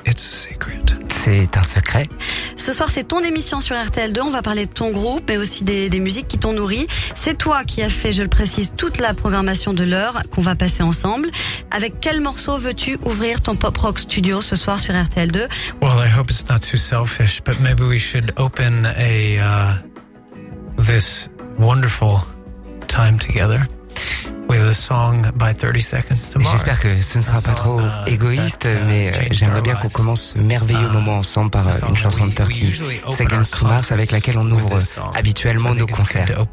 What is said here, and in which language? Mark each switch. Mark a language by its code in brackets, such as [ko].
[en] It's a secret. [fr] C'est un secret. Ce soir, c'est ton émission sur RTL2. On va parler de ton groupe, mais aussi des musiques qui t'ont nourri. C'est toi qui as fait, je le précise, toute la programmation de l'heure qu'on va passer ensemble. Avec quel morceau veux-tu ouvrir ton pop rock studio ce soir sur RTL2? [en] Well, I hope it's not too selfish, but maybe we should open this wonderful time together with a song by 30 Seconds to Mars. [fr] J'espère que ce ne sera pas trop égoïste, mais j'aimerais bien qu'on commence ce merveilleux moment ensemble par une chanson de 30 Seconds to Mars avec laquelle on ouvre habituellement nos concerts.